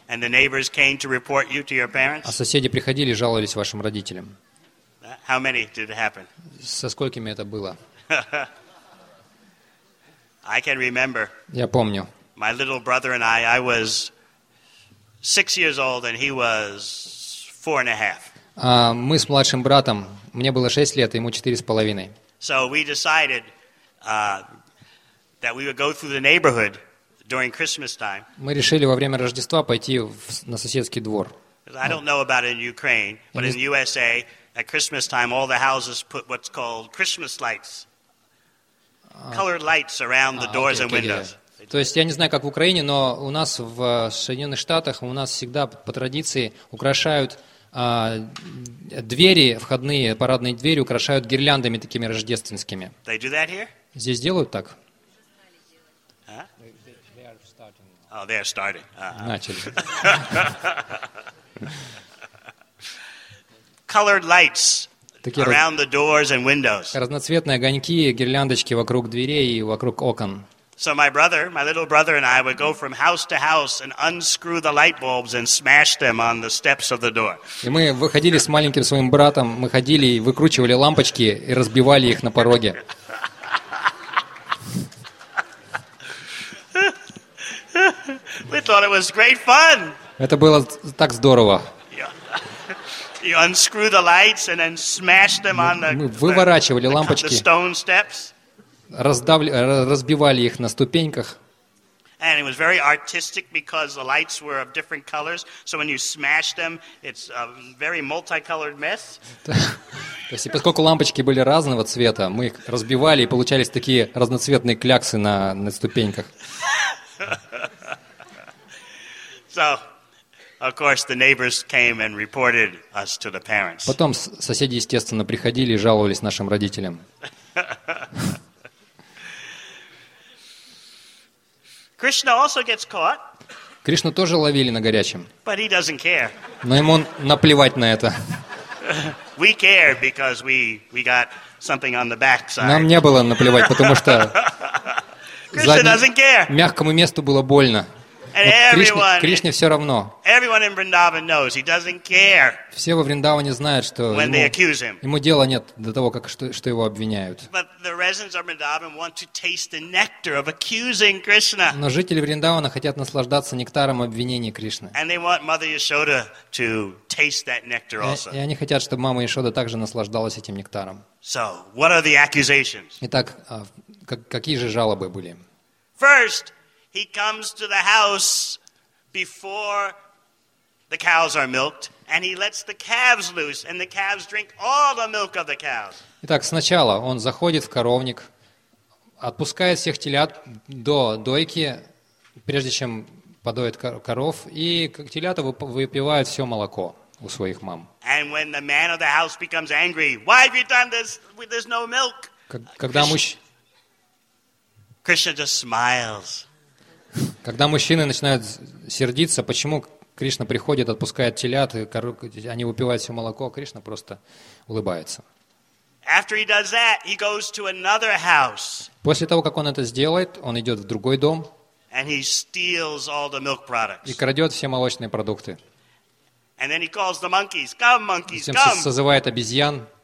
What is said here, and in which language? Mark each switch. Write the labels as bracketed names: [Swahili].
[English] And the neighbors came to report you to your parents? [Russian] А соседи приходили и жаловались вашим родителям? [English] How many did it happen? [Russian] Со сколькими это было? [English] I can remember. [Russian] Я помню. [English] My little brother and I was 6 years old and he was 4.5. [Russian] Мы с младшим братом, мне было 6 лет, ему 4.5. [English] So we decided that we would go through the neighborhood during Christmas time. [Russian] Мы решили во время Рождества пойти на соседский двор. [English] I don't know about it in Ukraine, but in the USA at Christmas time all the houses put what's called Christmas lights. Colored lights around the doors and windows. [Russian] То есть я не знаю, как в Украине, но у нас в Соединенных Штатах у нас всегда по традиции украшают двери входные, парадные двери украшают гирляндами такими рождественскими. [English] They do that here? [Russian] Здесь делают так? [English] Oh, they're starting. [Russian] Начали. [English] Colored lights around the doors and windows. [Russian] Разноцветные огоньки, гирляндочки вокруг дверей и вокруг окон. [English] So my little brother and I would go from house to house and unscrew the light bulbs and smash them on the steps of the door. [Russian] И мы выходили с маленьким своим братом, мы ходили и выкручивали лампочки и разбивали их на пороге. [English] We thought it was great fun. [Russian] Это было так здорово. [English] You unscrew the lights and then smash them on the. [Russian] Мы выворачивали лампочки. [English] The stone steps. [Russian] Разбивали их на ступеньках. [English] And it was very artistic because the lights were of different colors. So when you smash them, it's a very multicolored mess. [Russian] То есть, поскольку лампочки были разного цвета, мы их разбивали и получались такие разноцветные кляксы на ступеньках. [English] So, of course, the neighbors came and reported us to the parents. [Russian] Потом соседи, естественно, приходили и жаловались нашим родителям. [English] Krishna also gets caught. [Russian] Кришну тоже ловили на горячем. [English] But he doesn't care. [Russian] Но ему наплевать на это. [English] We care because we got something on the back side. [Russian] Нам не было наплевать, потому что [English] Krishna doesn't care. [Russian] Мягкому месту было больно. [English] And everyone, [Russian] Кришне все равно. [English] Everyone in Vrindavan knows he doesn't care. [Russian] Все во Вриндаване знают, что [English] when they accuse him. [Russian] Ему дела нет до того, как что его обвиняют. [English] But the residents of Vrindavan want to taste the nectar of accusing Krishna. [Russian] Но жители Вриндавана хотят наслаждаться нектаром обвинения Кришны. [English] And they want Mother Yashoda to taste that nectar also. [Russian] И они хотят, чтобы мама Яшода также наслаждалась этим нектаром. [English] So, what are the accusations? [Russian] Итак, какие же жалобы были? [English] First, he comes to the house before the cows are milked, and he lets the calves loose, and the calves drink all the milk of the cows. [Russian] Итак, сначала он заходит в коровник, отпускает всех телят до дойки, прежде чем подоит коров, и телята выпивают все молоко у своих мам. [English] And when the man of the house becomes angry, why have you done this? There's no milk. [Russian] Когда [English] Krishna just smiles. [Russian] Когда мужчины начинают сердиться, почему Кришна приходит, отпускает телят, они выпивают все молоко, а Кришна просто улыбается. [English] After he does that, he goes to another house. [Russian] После того, как он это сделает, он идет в другой дом [English] and he steals all the milk products. [Russian] И крадет все молочные продукты. [English] And then he calls the monkeys. Come, monkeys, come. [Russian] Затем созывает обезьян.